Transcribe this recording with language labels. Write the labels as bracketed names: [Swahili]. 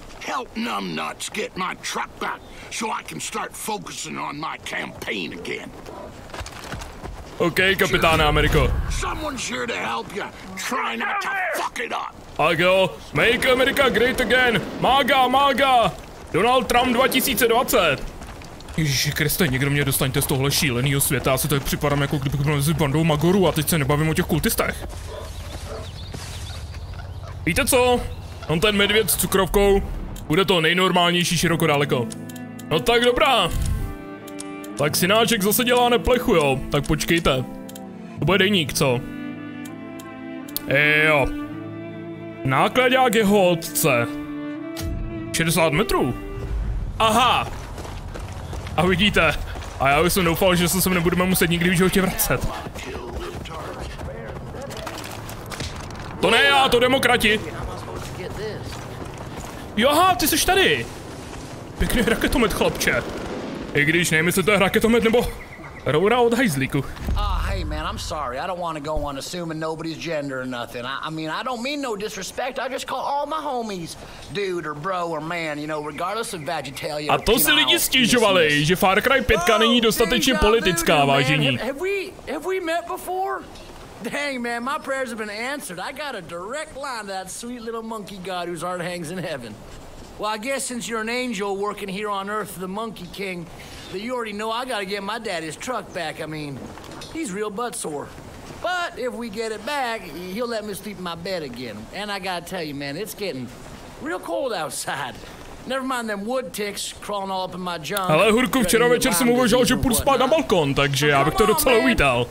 [English] Help numbnuts get my truck back so I can start focusing on my campaign again. [Czech] Okay, Kapitáne Ameriko. [English] Someone's here to help you. Try not to fuck it up. Ago, make America great again. MAGA, MAGA. Donald Trump 2020. [Czech] Ježíši Kriste, někdo mě dostaňte z tohle šílenýho světa. Já se tady připadám, jako kdybych byl mezi bandou magorů a teď se nebavím o těch kultistech. Víte co? On ten medvěd s cukrovkou. Bude to nejnormálnější široko daleko. No tak dobrá. Tak synáček zase dělá neplechu, jo. Tak počkejte. To bude deník, co? Jo. Nákladák jeho otce. 60 metrů. Aha. A vidíte. A já bych jsem doufal, že se sem nebudeme muset nikdy v životě vracet. To ne já, to demokrati. Joha, ty jsi tady. Pěkný raketomet, chlapče. I když nevím, jestli to je raketomet nebo roura od hajzlíku. [English] Hey man, I'm sorry. I don't want to go on assuming nobody's gender or nothing. I mean, I don't mean no disrespect. I just call all my homies dude or bro or man, you know, regardless of vegetalia. [Czech] A to si lidi stěžovali, že Far Cry 5 není dostatečně politická, vážení. [English] Have we met before? Dang man, my prayers have been answered. I got a direct line to that sweet little monkey god whose heart hangs in heaven. Well, I guess since you're an angel working here on Earth, the Monkey King, that you already know I gotta get my daddy's truck back. I mean, he's real butt sore. But if we get it back, he'll let me sleep in my bed again. And I gotta tell you, man, it's getting real cold outside. Never mind them wood ticks crawling all up in my junk. [Czech] Ale Hurku, včera večer jsem uvažoval, že půjdu spát na balkon, takže já bych to docela uvítal.